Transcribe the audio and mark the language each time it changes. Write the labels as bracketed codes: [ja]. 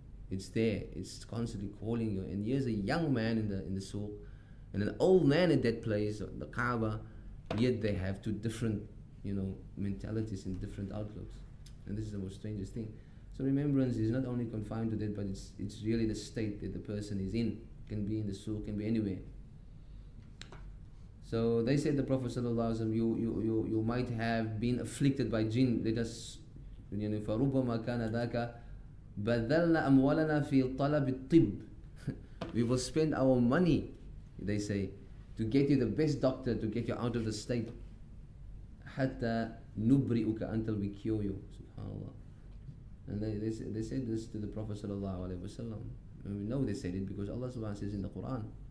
[en] It's there, it's constantly calling you. And here's a young man in the souq, and an old man at that place, the Kaaba, yet they have two different, mentalities and different outlooks. And this is the most strangest thing. So remembrance is not only confined to that, but it's really the state that the person is in. Can be in the souq, can be anywhere. So they said, the Prophet sallallahu alaihi wasallam, you might have been afflicted by jinn. Let us, [ar] فَرُبَّمَا كَانَ ذَاكَ بَذَلْنَا أَمْوَالَنَا فِي طَلَبِ الطِّبِّ. [en] We will spend our money, they say, to get you the best doctor, to get you out of the state. [ar] حَتَّى نُبْرِئُكَ, [en] until we cure you. SubhanAllah. And they said this to the Prophet sallallahu alaihi wasallam. And we know they said it because Allah subhanahu wa ta'ala says in the Quran.